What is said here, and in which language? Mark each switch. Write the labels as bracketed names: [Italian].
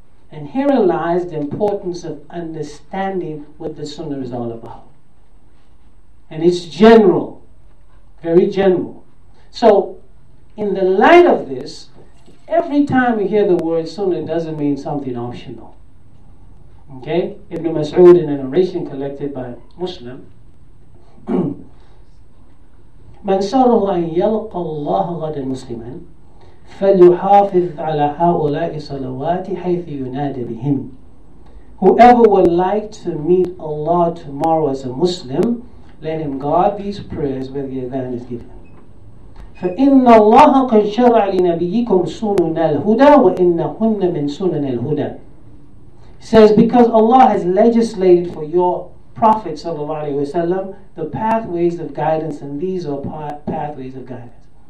[English] And herein lies the importance of understanding what the sunnah is all about. And it's general, very general. So in the light of this, every time you hear the word sunnah, it doesn't mean something optional. Okay? Ibn Mas'ud, in a narration collected by Muslim, [Arabic] من سره أن يلقى الله غدا مسلما فليحافظ على هؤلاء صلوات حيث ينادى بهم. [English] Whoever would like to meet Allah tomorrow as a Muslim, let him guard these prayers where the adhan is given. [Arabic] فَإِنَّ اللَّهَ قَدْ شَرَعَ لِنَبِيِّكُمْ سُنُنَ الْهُدَى وَإِنَّهُنَّ مِنْ سُنَنِ الْهُدَى. [English] He says, because Allah has legislated for your Prophet ﷺ the pathways of guidance, and these are pathways of guidance.